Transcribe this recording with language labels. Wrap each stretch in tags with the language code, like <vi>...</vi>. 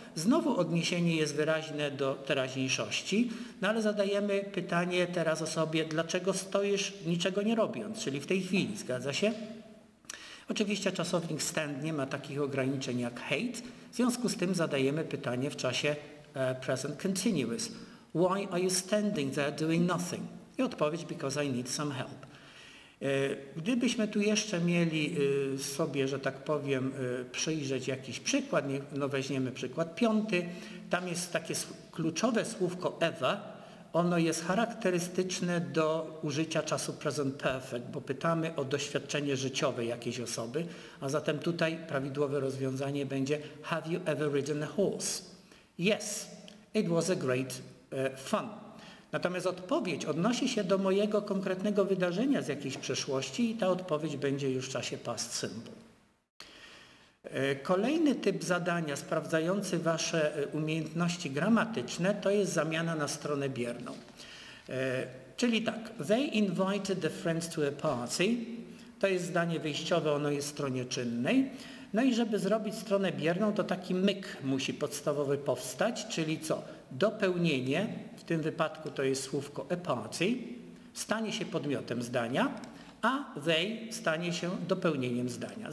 <pl>Znowu odniesienie jest wyraźne do teraźniejszości, no ale zadajemy pytanie teraz o sobie, dlaczego stoisz niczego nie robiąc, czyli w tej chwili, zgadza się? Oczywiście czasownik stand nie ma takich ograniczeń jak hate, w związku z tym zadajemy pytanie w czasie present continuous.</pl> <en>Why are you standing there doing nothing?</en> <pl>I odpowiedź,</pl> <en>because I need some help.</en> <pl>Gdybyśmy tu jeszcze mieli sobie, że tak powiem, przyjrzeć jakiś przykład, no weźmiemy przykład piąty, tam jest takie kluczowe słówko ever, ono jest charakterystyczne do użycia czasu present perfect, bo pytamy o doświadczenie życiowe jakiejś osoby, a zatem tutaj prawidłowe rozwiązanie będzie</pl> <en>have you ever ridden a horse? Yes, it was a great fun.</en> <pl>Natomiast odpowiedź odnosi się do mojego konkretnego wydarzenia z jakiejś przeszłości i ta odpowiedź będzie już w czasie past simple. Kolejny typ zadania sprawdzający wasze umiejętności gramatyczne to jest zamiana na stronę bierną. Czyli tak,</pl> <en>they invited the friends to a party.</en> <pl>To jest zdanie wyjściowe, ono jest w stronie czynnej. No i żeby zrobić stronę bierną, to taki myk musi podstawowy powstać, czyli co? Dopełnienie, w tym wypadku to jest słówko a party, stanie się podmiotem zdania, a they stanie się dopełnieniem zdania.</pl>